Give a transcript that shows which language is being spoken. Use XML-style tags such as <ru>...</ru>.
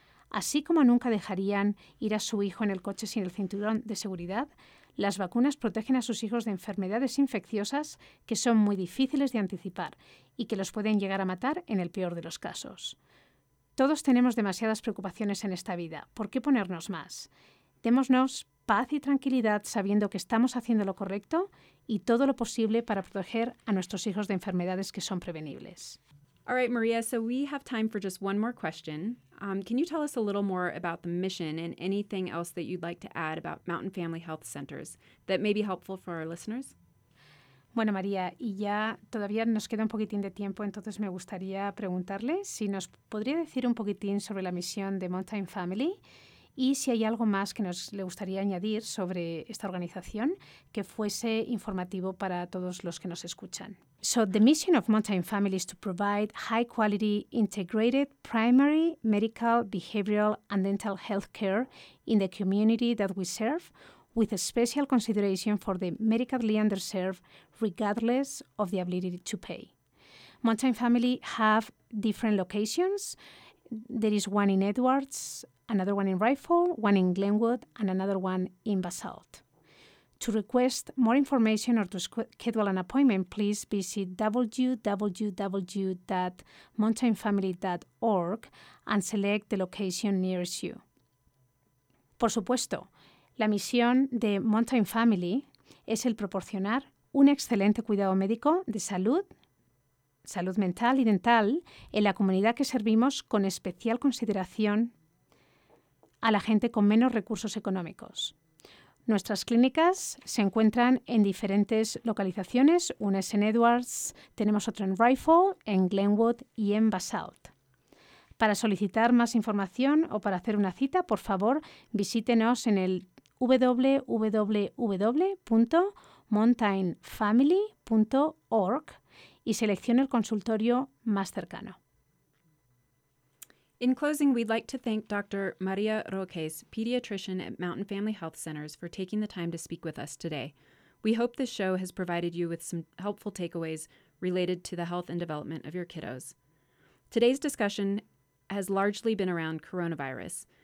<es>Así como nunca dejarían ir a su hijo en el coche sin el cinturón de seguridad, las vacunas protegen a sus hijos de enfermedades infecciosas que son muy difíciles de anticipar y que los pueden llegar a matar en el peor de los casos. Todos tenemos demasiadas preocupaciones en esta vida. ¿Por qué ponernos más? Démonos paz y tranquilidad sabiendo que estamos haciendo lo correcto y todo lo posible para proteger a nuestros hijos de enfermedades que son prevenibles.</es> <en>All right, Maria, so we have time for just one more question. Can you tell us a little more about the mission and anything else that you'd like to add about Mountain Family Health Centers that may be helpful for our listeners?</en> <es>Bueno, María, y ya todavía nos queda un poquitín de tiempo, entonces me gustaría preguntarle si nos podría decir un poquitín sobre la misión de Mountain Family y si hay algo más que nos le gustaría añadir sobre esta organización que fuese informativo para todos los que nos escuchan.</es> <en>So the mission of Mountain Family is to provide high-quality, integrated, primary, medical, behavioral, and dental health care in the community that we serve, with a special consideration for the medically underserved, regardless of the ability to pay. Mountain Family have different locations. There is one in Edwards, another one in Rifle, one in Glenwood, and another one in Basalt. To request more information or to schedule an appointment, please visit www.mountainfamily.org and select the location nearest you.</en> <es>Por supuesto, la misión de Mountain Family es el proporcionar un excelente cuidado médico de salud, salud mental y dental en la comunidad que servimos con especial consideración a la gente con menos recursos económicos. Nuestras clínicas se encuentran en diferentes localizaciones. Una es en Edwards, tenemos otra en Rifle, en Glenwood y en Basalt. Para solicitar más información o para hacer una cita, por favor, visítenos en el www.mountainfamily.org y seleccione el consultorio más cercano.</es> <en>In closing, we'd like to thank Dr. Maria Roques, pediatrician at Mountain Family Health Centers, for taking the time to speak with us today. We hope this show has provided you with some helpful takeaways related to the health and development of your kiddos. Today's discussion has largely been around coronavirus.</en>